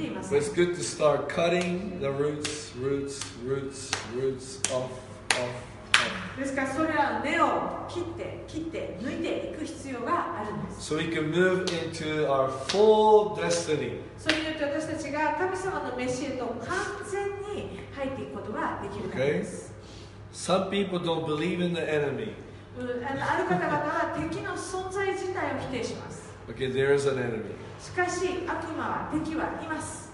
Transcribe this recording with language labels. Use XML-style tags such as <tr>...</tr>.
<en>But it's good to start cutting the roots off, off.</en> <ja>ですからそれは根を切って抜いていく必要があるんです。</ja> <en>So we can move into our full destiny.</en> <ja>それによって私たちが神様の召しへと完全に入っていくことができるんです。</ja> <en>Some people don't believe in the enemy.</en> <ja>ある方々は敵の存在自体を否定します。</ja> <en>Okay, there is an enemy.</en> <ja>しかし悪魔は敵はいます。</ja>